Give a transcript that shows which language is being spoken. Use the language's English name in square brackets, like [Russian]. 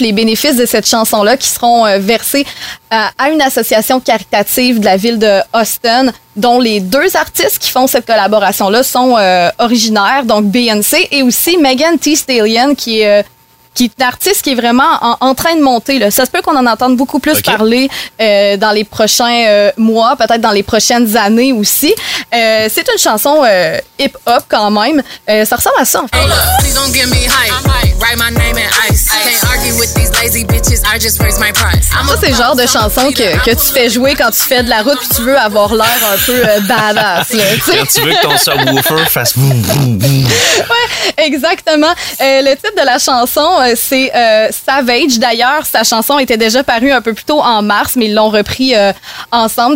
[French] Les bénéfices de cette chanson-là qui seront versés à une association caritative de la ville de Austin, dont les deux artistes qui font cette collaboration-là sont originaires, donc BNC et aussi Megan Thee Stallion qui est une artiste qui est vraiment en train de monter. Là. Ça se peut qu'on en entende beaucoup plus parler dans les prochains mois, peut-être dans les prochaines années aussi. C'est une chanson hip-hop quand même. Ça ressemble à ça, en fait. [English] Please don't give me hype. Write my name in ice. Can't argue with these lazy bitches. I just raise my price. [French] Ça, c'est le genre de chanson que tu fais jouer quand tu fais de la route et tu veux avoir l'air un peu badass. Là, quand tu veux que ton subwoofer fasse boum, boum, boum. Ouais, exactement. Le titre de la chanson, c'est Savage. D'ailleurs, sa chanson était déjà parue un peu plus tôt en mars, mais ils l'ont repris ensemble.